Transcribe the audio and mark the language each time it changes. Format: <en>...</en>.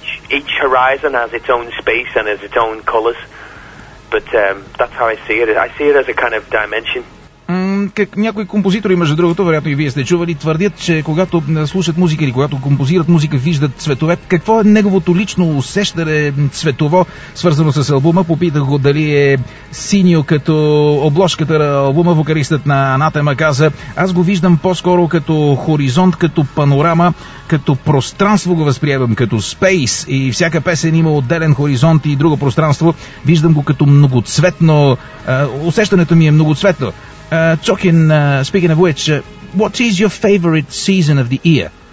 <en>Each horizon has its own space and has its own colors, but that's how I see it. I see it as a kind of dimension.</en> <bg>Как някои композитори, между другото, вероятно и вие сте чували, твърдят, че когато слушат музика или когато композират музика, виждат цветове. Какво е неговото лично усещане цветово, свързано с албума? Попитах го дали е синьо като обложката на албума. Вокалистът на Anathema каза: аз го виждам по-скоро като хоризонт, като панорама, като пространство го възприемам, като space, и всяка песен има отделен хоризонт и друго пространство. Виждам го като многоцветно. Усещането ми е многоцветно.</bg> <en>Speaking of which, what is your favorite season of the year?</en>